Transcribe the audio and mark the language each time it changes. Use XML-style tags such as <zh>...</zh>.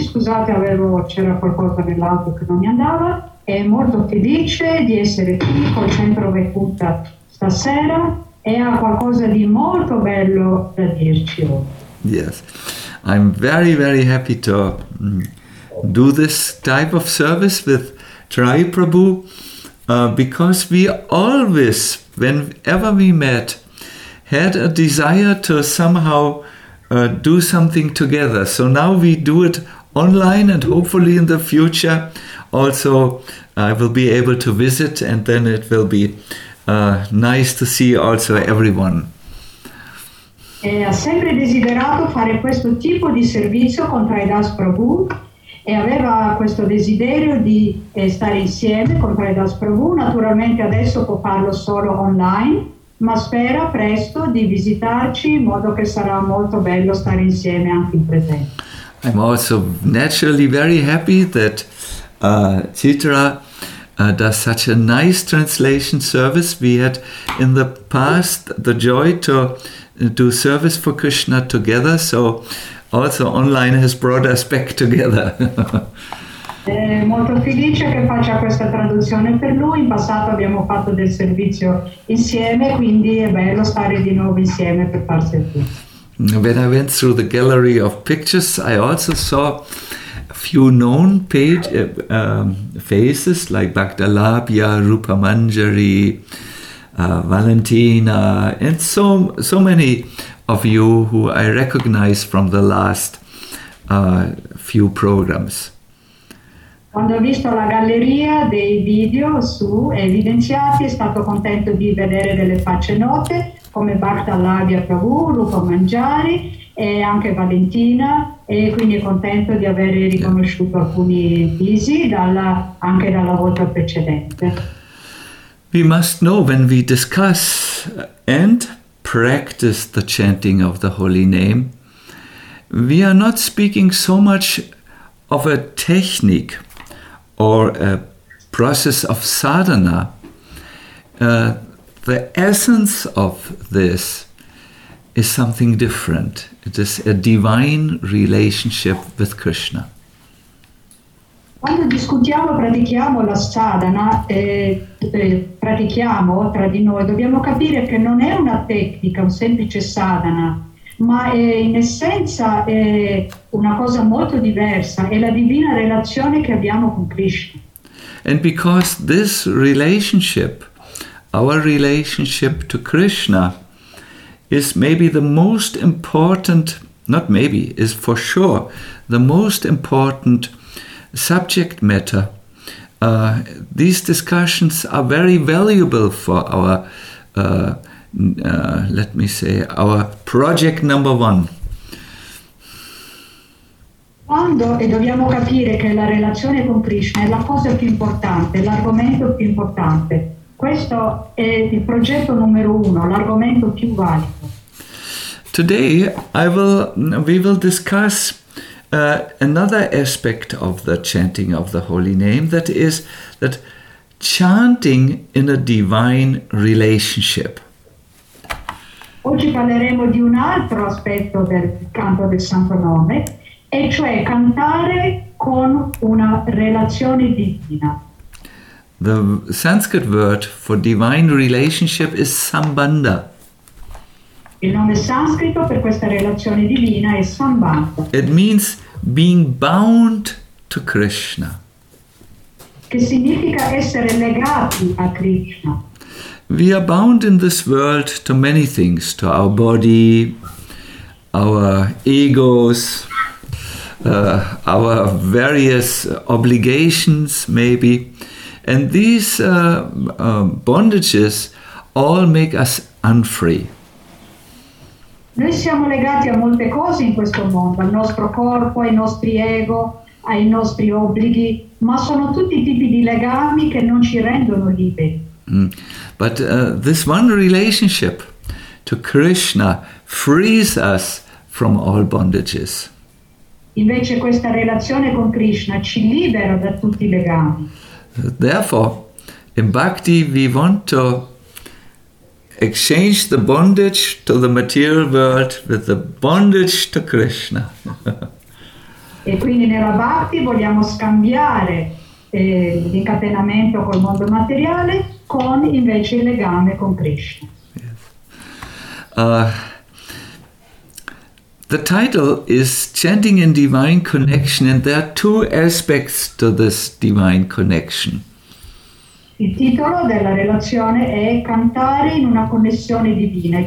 <it>Scusate, avevo c'era qualcosa nell'auto che non mi andava. È molto felice di essere qui col Centro Vaikuntha stasera e ha qualcosa di molto bello da dirci.</it> <en>Yes, I'm very, very happy to do this type of service with Tri Prabhu because we always, whenever we met, had a desire to somehow do something together. So now we do it online, and hopefully in the future also I will be able to visit, and then it will be nice to see also everyone.</en> <it>E ha sempre desiderato fare questo tipo di servizio con Tri Das Prabhu e aveva questo desiderio di stare insieme con Tri Das Prabhu. Naturalmente adesso può farlo solo online, ma spera presto di visitarci, in modo che sarà molto bello stare insieme anche in presente.</it> <en>I'm also naturally very happy that Chitra does such a nice translation service. We had in the past the joy to do service for Krishna together, so also online has brought us back together.</en> <it>Molto felice che faccia questa traduzione per lui. In passato abbiamo fatto del servizio insieme, quindi è bello stare di nuovo insieme per far servizio.</it> <en>When I went through the gallery of pictures, I also saw a few known faces like Bhaktalabhya, Rupa Manjari, Valentina, and so many of you who I recognize from the last few programs.</en> <it>Quando ho visto la galleria dei video su evidenziati, è stato contento di vedere delle facce note come Bhaktalabhya Prabhu, Rupa Manjari e anche Valentina, e quindi è contento di aver riconosciuto alcuni visi anche dalla volta precedente.</it> <en>We must know when we discuss and practice the chanting of the holy name, we are not speaking so much of a technique or a process of sadhana. The essence of this is something different. It is a divine relationship with Krishna.</en> <it>Quando discutiamo, pratichiamo la sadhana, pratichiamo tra di noi, dobbiamo capire che non è una tecnica, un semplice sadhana, ma è in essenza è una cosa molto diversa, è la divina relazione che abbiamo con Krishna.</it> <en>And because this relationship, our relationship to Krishna, is maybe the most important, not maybe, is for sure the most important subject matter, these discussions are very valuable for our let me say, our project number one.</en> <it>Quando, e dobbiamo capire che la relazione con Krishna è la cosa più importante, l'argomento più importante. Questo è il progetto numero uno, l'argomento più valido.</it> <en>Today we will discuss another aspect of the chanting of the holy name, that is, that chanting in a divine relationship.</en> <it>Oggi parleremo di un altro aspetto del canto del Santo Nome, e cioè cantare con una relazione divina.</it> <en>The Sanskrit word for divine relationship is sambandha.</en> <it>Il nome sanscrito per questa relazione divina è sambandha.</it> <en>It means being bound to Krishna.</en> <it>Che significa essere legati a Krishna.</it> <en>We are bound in this world to many things, to our body, our egos, our various obligations maybe. And these bondages all make us unfree.</en> <it>Noi siamo legati a molte cose in questo mondo, al nostro corpo, ai nostri ego, ai nostri obblighi, ma sono tutti tipi di legami che non ci rendono liberi.</it> <en>But this one relationship to Krishna frees us from all bondages.</en> <it>Invece questa relazione con Krishna ci libera da tutti I legami.</it> <en>Therefore, in bhakti we want to exchange the bondage to the material world with the bondage to Krishna.</en> <it>E quindi nella bhakti vogliamo scambiare l'incatenamento col mondo materiale con invece il legame con Krishna.</it> <en>The title is Chanting in Divine Connection, and there are two aspects to this divine connection.</en> <it>Il titolo della relazione è Cantare in una connessione divina.</it>